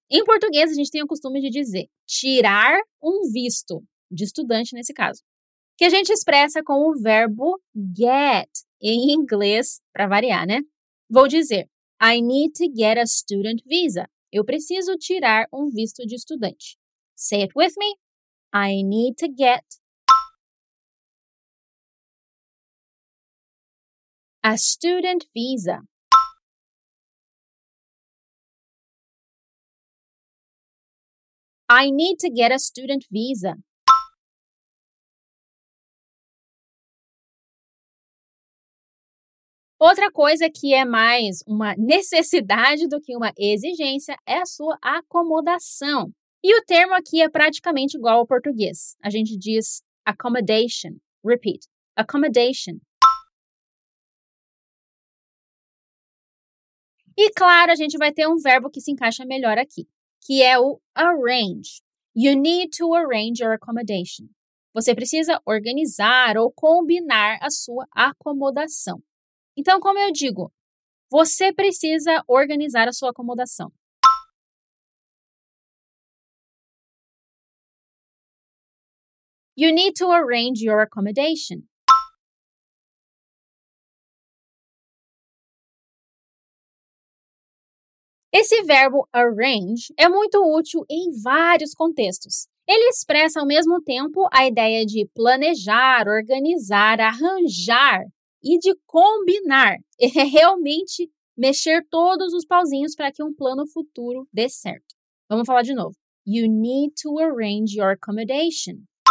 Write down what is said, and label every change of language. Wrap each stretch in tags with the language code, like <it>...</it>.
<pt>Em português, a gente tem o costume de dizer tirar um visto, de estudante nesse caso, que a gente expressa com o verbo get, em inglês, para variar, né? Vou dizer,</pt> <en>I need to get a student visa.</en> <pt>Eu preciso tirar um visto de estudante.</pt> <en>Say it with me. I need to get a student visa. I need to get a student visa.</en> <pt>Outra coisa que é mais uma necessidade do que uma exigência é a sua acomodação. E o termo aqui é praticamente igual ao português. A gente diz accommodation. Repeat. Accommodation. E claro, a gente vai ter um verbo que se encaixa melhor aqui, que é o arrange.</pt> <en>You need to arrange your accommodation.</en> <pt>Você precisa organizar ou combinar a sua acomodação. Então, como eu digo, você precisa organizar a sua acomodação.</pt> <en>You need to arrange your accommodation.</en> <pt>Esse verbo arrange é muito útil em vários contextos. Ele expressa ao mesmo tempo a ideia de planejar, organizar, arranjar e de combinar. É realmente mexer todos os pauzinhos para que um plano futuro dê certo. Vamos falar de novo.</pt> <en>You need to arrange your accommodation.</en>